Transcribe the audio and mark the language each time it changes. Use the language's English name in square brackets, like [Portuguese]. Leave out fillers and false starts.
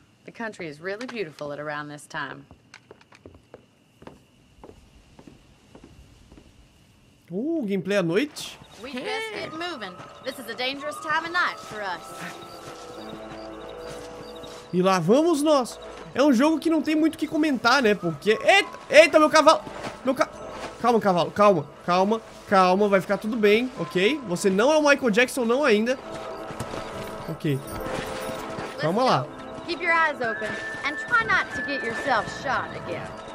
[English] The country is really beautiful at around this time. [Portuguese] Gameplay à noite. [English] We best get moving. This is a dangerous time of night for us. [Portuguese] E lá vamos nós. É um jogo que não tem muito o que comentar, né? Porque... Eita, eita, meu cavalo! Calma, cavalo, calma, calma, calma. Vai ficar tudo bem, ok? Você não é o Michael Jackson não ainda. Ok. Calma lá. [English] Keep your eyes open and try not to get yourself shot again.